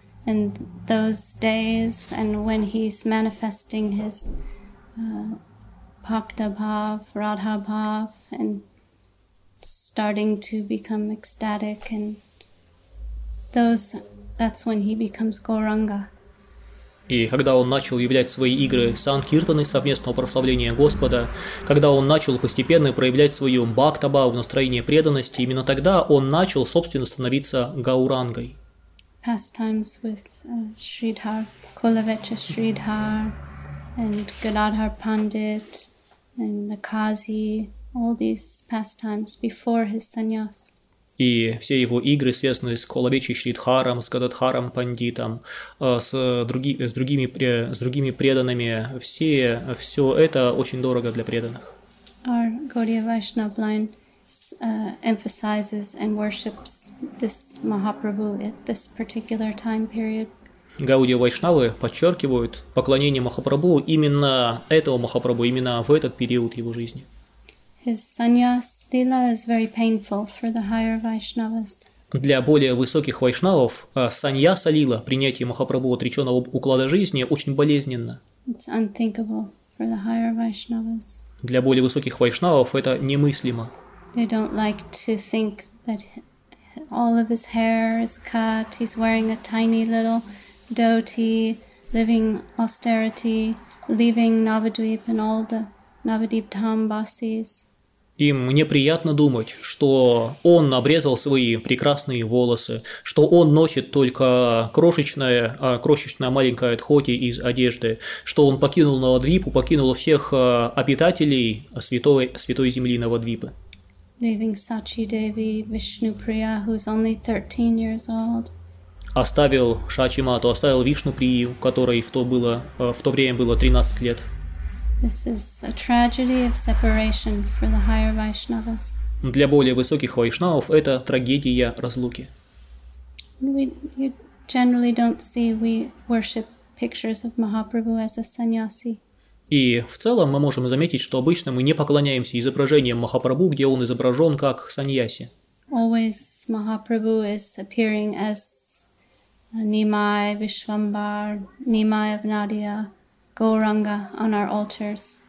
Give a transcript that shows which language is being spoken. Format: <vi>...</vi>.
<en>And those days, and when he's manifesting his Bhakta Bhav, Radha Bhav, and starting to become ecstatic, and that's when he becomes Gauranga.</en> <ru>И когда он начал являть свои игры санкиртаны, совместного прославления Господа, когда он начал постепенно проявлять свою бхактабаву, настроение преданности, именно тогда он начал, собственно, становиться гаурангой.</ru> <en>Pastimes with Shridhar, Kulavecha Shridhar, and Gadadhar Pandit, and the Kazi, all these pastimes before his sannyas.</en> <ru>И все его игры, связанные с Колавечи Шридхаром, с Гададхаром Пандитом, с другими преданными, все это очень дорого для преданных.</ru> <en>Our Gaudiya Vaishnav line emphasizes and worships this Mahaprabhu at this particular time period.</en> <ru>Гаудия Вайшнавы подчеркивают поклонение Махапрабху именно этого Махапрабху, именно в этот период его жизни.</ru> <en>His sannyas lila is very painful for the higher Vaishnavas.</en> <ru>Для более высоких вайшнавов саньяса лила, принятие Махапрабху отреченного уклада жизни, очень болезненно.</ru> <en>It's unthinkable for the higher Vaishnavas.</en> <ru>Для более высоких вайшнавов это немыслимо.</ru> <en>They don't like to think that all of his hair is cut, he's wearing a tiny little dhoti, living austerity, leaving Navadvip and all the Navadvip Dham Basis.</en> <ru>Им неприятно думать, что он обрезал свои прекрасные волосы, что он носит только крошечное маленькое дхоти из одежды, что он покинул Навадвипу, покинул всех обитателей святой земли Навадвипы.</ru> <en>Leaving Sachi Devi Vishnupriya, who is only 13 years old.</en> <ru>Оставил Шачи Мату, оставил Вишнуприю, которой в то время было 13 лет.</ru> <en>This is a tragedy of separation for the higher Vaishnavas.</en> <ru>Для более высоких вайшнавов это трагедия разлуки.</ru> <en>You generally don't see we worship pictures of Mahaprabhu as a sannyasi.</en> <ru>И в целом мы можем заметить, что обычно мы не поклоняемся изображениям Махапрабху, где он изображен как саньяси.</ru> <en>Always Mahaprabhu is appearing as Nimai Vishvambar, Nimai of Nadia. Gauranga on our altars.</en>